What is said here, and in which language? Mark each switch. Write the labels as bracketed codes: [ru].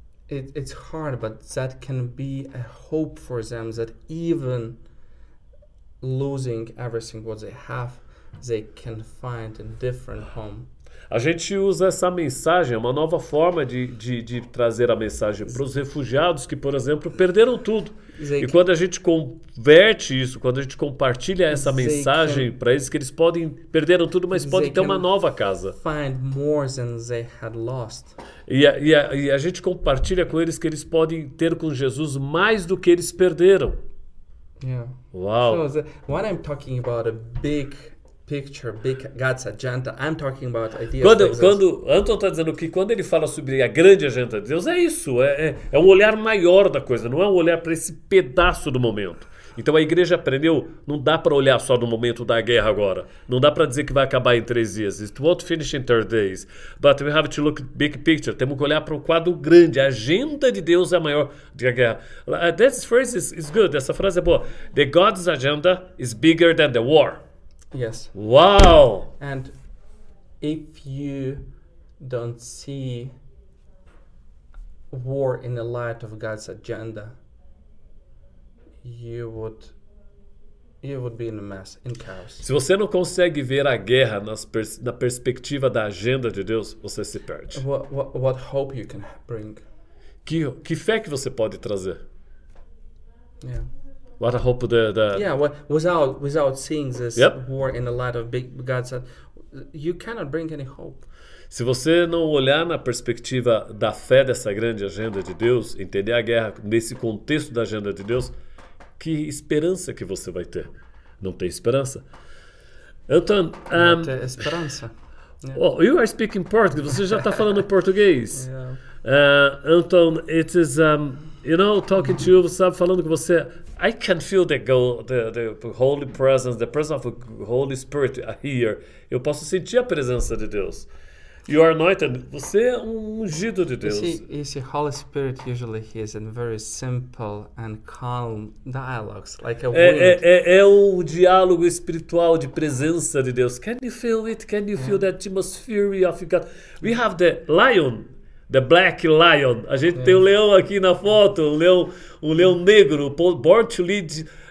[en] It's hard, but that can be a hope for them that even losing everything what they have. They can find a different home. [pt] A gente usa essa mensagem, uma nova forma de trazer a mensagem para os refugiados que, por exemplo, perderam tudo. E quando a gente converte isso, quando a gente compartilha essa mensagem para eles, que eles podem perderam tudo, mas podem ter uma nova casa. [en] Find more than they had lost. [pt] E a gente compartilha com eles que eles podem ter com Jesus mais do que eles perderam. [en] Yeah. [pt] Uau. [en] So, when I'm talking about a big picture, big God's agenda, I'm talking about ideas. [pt] Quando Anton está dizendo que quando ele fala sobre a grande agenda de Deus, é isso, é um olhar maior da coisa, não é um olhar para esse pedaço do momento. Então a igreja aprendeu, não dá para olhar só no momento da guerra agora. Não dá para dizer que vai acabar em 3 dias. [en] It won't finish in 3 days. But we have to look big picture. [pt] Temos que olhar para o quadro grande. A agenda de Deus é maior do que a guerra. [en] This phrase is good. [pt] Essa frase é boa. [en] The God's agenda is bigger than the war. Yes. Wow. And if you don't see war in the light of God's agenda, you would be in a mess, in chaos. [pt] Se você não consegue ver a guerra na perspectiva da agenda de Deus, você se perde. [en] What hope you can bring? [pt] Que fé que você pode trazer? [en] Yeah. What a hope the yeah, without seeing this yep. war in the light of big God said, you cannot bring any hope. [pt] Se você não olhar na perspectiva da fé dessa grande agenda de Deus, entender a guerra nesse contexto da agenda de Deus, que esperança que você vai ter? Não tem esperança? Anton, não tem esperança. [en] Yeah. Well, you are speaking Portuguese. [pt] Você já está falando português. [en] Yeah. Anton, it is, you know, talking to you, [pt] sabe, falando com você, [en] I can feel the Holy Presence, the presence of the Holy Spirit here. [pt] Eu posso sentir a presença de Deus. [en] You are anointed. [pt] Você é ungido de Deus. [en] You see, Holy Spirit usually he is in very simple and calm dialogues, like a wind. [pt] É um diálogo espiritual de presença de Deus. [en] Can you feel it? Can you feel that atmosphere of God? We have the lion, the black lion. [pt] A gente tem o leão aqui na foto, o leão negro, [en] born to lead.